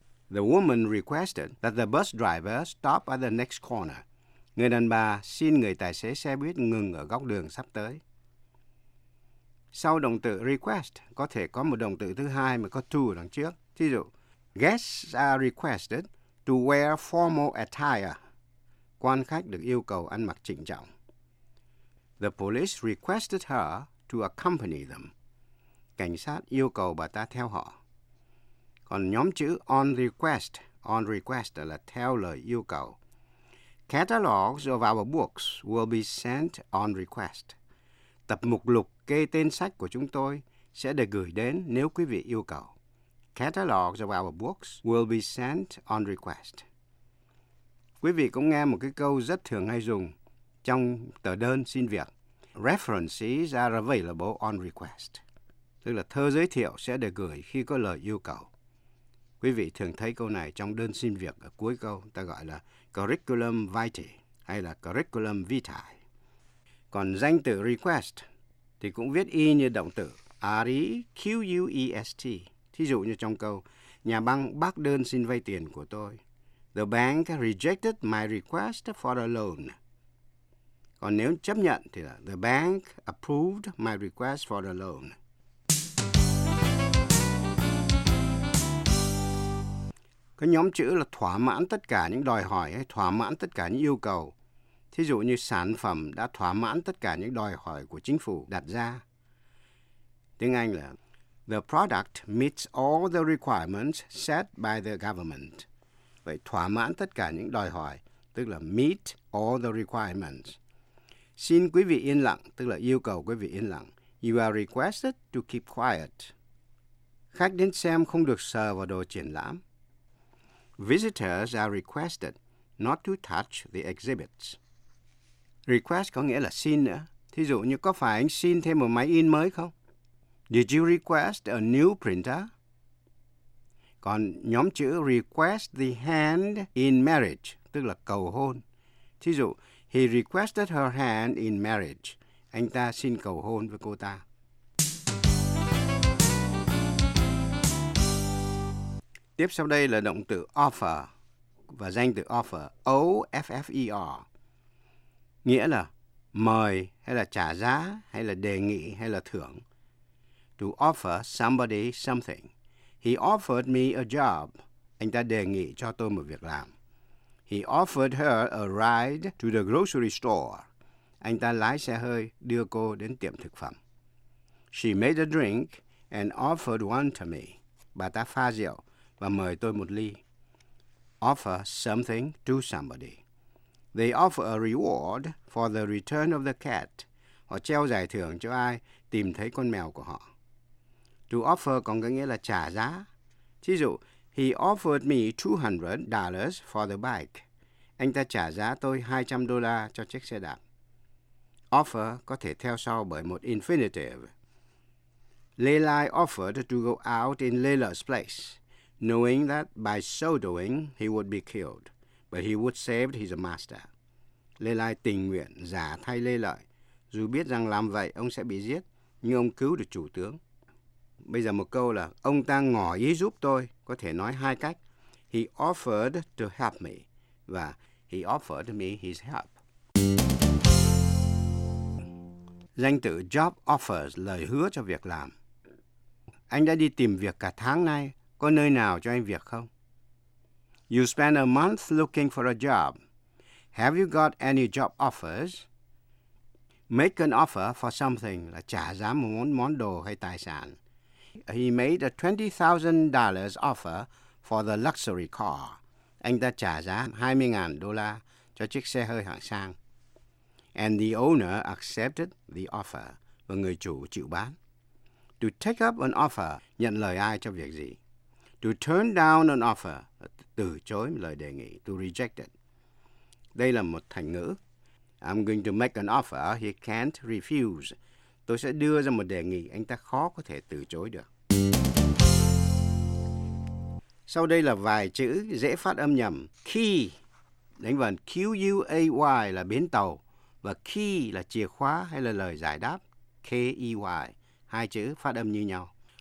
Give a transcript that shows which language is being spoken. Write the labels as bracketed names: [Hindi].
[English] The woman requested that the bus driver stop at the next corner. [Vietnamese] Người đàn bà xin người tài xế xe buýt ngừng ở góc đường sắp tới. Sau động từ request, có thể có một động từ thứ hai mà có to đằng trước. Thí dụ, [English] guests are requested to wear formal attire. [Vietnamese] Quan khách được yêu cầu ăn mặc chỉnh trọng. [English] The police requested her to accompany them. [Vietnamese] Cảnh sát yêu cầu bà ta theo họ. Còn nhóm chữ on request là theo lời yêu cầu. [English] Catalogs of our books will be sent on request. [Vietnamese] Tập mục lục kê tên sách của chúng tôi sẽ được gửi đến nếu quý vị yêu cầu. [English] Catalogs of our books will be sent on request. [Vietnamese] Quý vị cũng nghe một cái câu rất thường hay dùng trong tờ đơn xin việc. [English] References are available on request. [Vietnamese] Tức là thơ giới thiệu sẽ được gửi khi có lời yêu cầu. Quý vị thường thấy câu này trong đơn xin việc ở cuối câu, ta gọi là curriculum vitae hay là curriculum vitae. Còn danh từ request thì cũng viết y như động từ, request. Thí dụ như trong câu, nhà băng bác đơn xin vay tiền của tôi. [English] The bank rejected my request for a loan. [Vietnamese] Còn nếu chấp nhận thì là [English] the bank approved my request for a loan. [Vietnamese] Cái nhóm chữ là thỏa mãn tất cả những đòi hỏi hay thỏa mãn tất cả những yêu cầu. Thí dụ như sản phẩm đã thỏa mãn tất cả những đòi hỏi của chính phủ đặt ra. Tiếng Anh là [English] the product meets all the requirements set by the government. [Vietnamese] Vậy thỏa mãn tất cả những đòi hỏi, tức là [English] meet all the requirements. [Vietnamese] Xin quý vị yên lặng, tức là yêu cầu quý vị yên lặng. [English] You are requested to keep quiet. [Vietnamese] Khách đến xem không được sờ vào đồ triển lãm. [English] Visitors are requested not to touch the exhibits. [Vietnamese] Request có nghĩa là xin nữa. Thí dụ như có phải anh xin thêm một máy in mới không? [English] Did you request a new printer? [Vietnamese] Còn nhóm chữ [English] request the hand in marriage, [Vietnamese] tức là cầu hôn. Thí dụ, [English] he requested her hand in marriage. [Vietnamese] Anh ta xin cầu hôn với cô ta. Tiếp sau đây là động từ offer và danh từ offer, O-F-F-E-R. Nghĩa là mời hay là trả giá hay là đề nghị hay là thưởng. [English] To offer somebody something. He offered me a job. [Vietnamese] Anh ta đề nghị cho tôi một việc làm. [English] He offered her a ride to the grocery store. [Vietnamese] Anh ta lái xe hơi đưa cô đến tiệm thực phẩm. [English] She made a drink and offered one to me. [Vietnamese] Bà ta pha rượu và mời tôi một ly. [English] Offer something to somebody. They offer a reward for the return of the cat. [Vietnamese] Họ treo giải thưởng cho ai tìm thấy con mèo của họ. To offer còn có nghĩa là trả giá. Thí dụ, [English] he offered me $200 for the bike. [Vietnamese] Anh ta trả giá tôi $200 cho chiếc xe đạp. Offer có thể theo sau bởi một infinitive. [English] Lelai offered to go out in Lela's place, knowing that by so doing he would be killed. But he would save his master. [Vietnamese] Lê Lai tình nguyện giả thay Lê Lợi. Dù biết rằng làm vậy ông sẽ bị giết, nhưng ông cứu được chủ tướng. Bây giờ một câu là, ông ta ngỏ ý giúp tôi. Có thể nói hai cách. [English] He offered to help me. Và he offered me his help. [Vietnamese] Danh từ job offers, lời hứa cho việc làm. Anh đã đi tìm việc cả tháng nay. Có nơi nào cho anh việc không? [English] You spent a month looking for a job. Have you got any job offers? Make an offer for something [Vietnamese] là trả giá một món đồ hay tài sản. [English] He made a $20,000 offer for the luxury car. [Vietnamese] Anh ta trả giá $20,000 cho chiếc xe hơi hạng sang. [English] And the owner accepted the offer. [Vietnamese] Và người chủ chịu bán. [English] To take up an offer, [Vietnamese] nhận lời ai cho việc gì? [English] To turn down an offer, [Vietnamese] từ chối lời đề nghị, [English] to reject it. [Vietnamese] Đây là một thành ngữ. [English] I'm going to make an offer he can't refuse. [Vietnamese] Tôi sẽ đưa ra một đề nghị anh ta khó có thể từ chối được. Sau đây là vài chữ dễ phát âm nhầm. Key, đánh vần Q-U-A-Y là bến tàu. Và key là chìa khóa hay là lời giải đáp. K-E-Y, hai chữ phát âm như nhau.